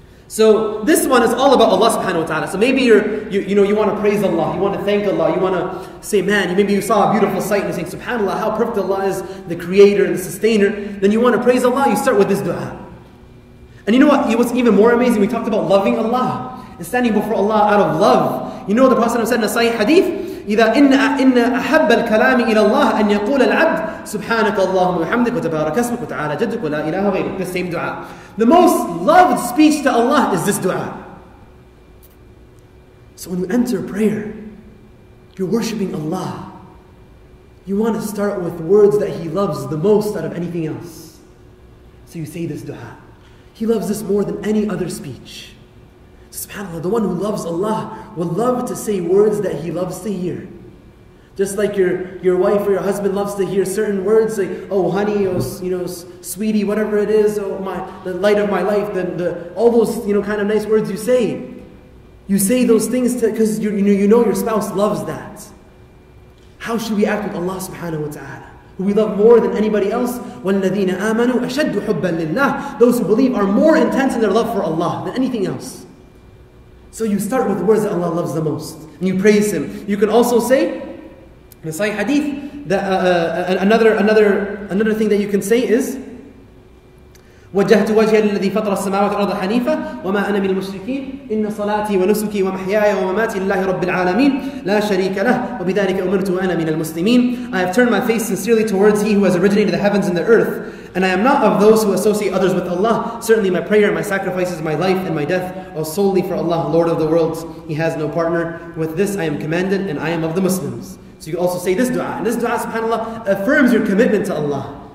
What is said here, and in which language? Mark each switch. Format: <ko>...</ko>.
<en>So this one is all about Allah subhanahu wa ta'ala. So maybe you want to praise Allah, you want to thank Allah, you want to say, man, maybe you saw a beautiful sight and you're saying, subhanAllah, how perfect Allah is, the creator and the sustainer. Then you want to praise Allah, you start with this dua. And you know what? What's even more amazing, we talked about loving Allah and standing before Allah out of love. You know the Prophet said in a sahih hadith,</en> <ar>إِذَا إِنَّ أَحَبَّ الْكَلَامِ إِلَى اللَّهِ أَنْ يَقُولَ الْعَبْدِ سُبْحَانَكَ اللَّهُمُ وَحَمْدِكَ وَتَبَارَكَ اسْمُكَ وَتَعَالَى جَدُّكَ وَلَا إِلَهَ غَيْرُكَ.</ar> <en>The same dua. The most loved speech to Allah is this dua. So when you enter prayer, you're worshipping Allah. You want to start with words that He loves the most out of anything else. So you say this dua. He loves this more than any other speech. SubhanAllah, the one who loves Allah will love to say words that he loves to hear. Just like your wife or your husband loves to hear certain words like, oh honey, oh you know, sweetie, whatever it is, oh my, the light of my life, the all those, you know, kind of nice words you say. You say those things because you know your spouse loves that. How should we act with Allah subhanahu wa ta'ala? Who we love more than anybody else.</en> <ar>وَالَّذِينَ آمَنُوا أَشَدُّ حُبًّا لِلَّهِ.</ar> <en>Those who believe are more intense in their love for Allah than anything else. So you start with the words that Allah loves the most, and you praise Him. You can also say, in the Sahih Hadith, that another thing that you can say is,</en> <ar>وجهت وجهي للذي فطر السماوات والأرض حنيفة وما أنا من المشركين إن صلاتي ونسكي ومحياي ومماتي لله رب العالمين لا شريك له وبذلك أمرت وأنا من المسلمين.</ar> <en>I have turned my face sincerely towards He who has originated the heavens and the earth, and I am not of those who associate others with Allah. Certainly my prayer, my sacrifices, my life and my death are solely for Allah, Lord of the worlds. He has no partner. With this I am commanded, and I am of the Muslims. So you also say this dua, and this dua, subhanAllah, affirms your commitment to Allah.</en>